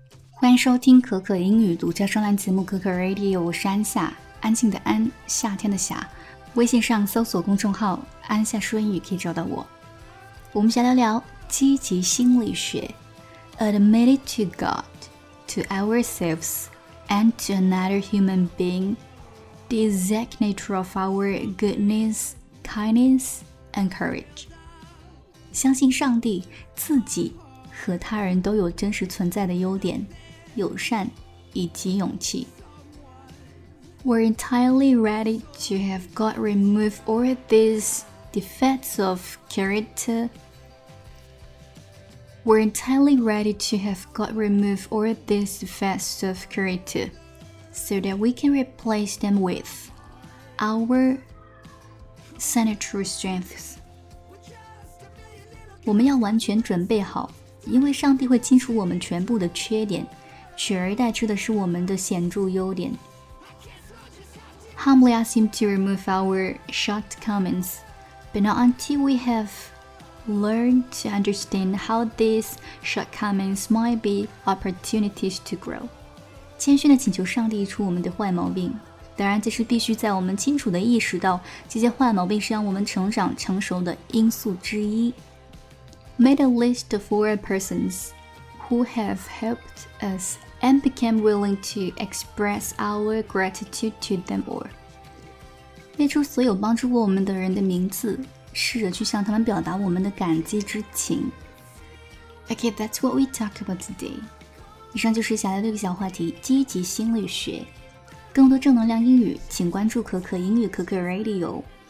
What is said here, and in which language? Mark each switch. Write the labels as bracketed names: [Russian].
[Chinese] 欢迎收听可可英语独家专栏节目可可 Radio， 我是安夏，安静的安，夏天的夏。微信上搜索公众号安夏说英语可以找到我。我们先聊聊积极心理学。 [English] Admit it to God, to ourselves, and to another human being, the exact nature of our goodness, kindness, and courage. [Chinese] 相信上帝、自己和他人都有真实存在的优点、友善以及勇气。 [English] We're entirely ready to have God remove all these defects of character. We're entirely ready to have God remove all these defects of character so that we can replace them with our sanitary strengths. [Chinese] 我们要完全准备好，因为上帝会清除我们全部的缺点，取而代之的是我们的显著优点。 [English] Humbly ask him to remove our shortcomings, but not until we haveLearn to understand how these shortcomings might be opportunities to grow. [Chinese] 谦虚地请求上帝除我们的坏毛病，当然这是必须在我们清楚地意识到这些坏毛病是让我们成长成熟的因素之一。 [English] Made a list of four persons who have helped us and became willing to express our gratitude to them all. [Chinese] 列出所有帮助过我们的人的名字，试着去向他们表达我们的感激之情。 [English] Okay, that's what we talk about today. [Chinese] 以上就是小的六个小话题，积极心理学。更多正能量英语，请关注可可英语可可 Radio。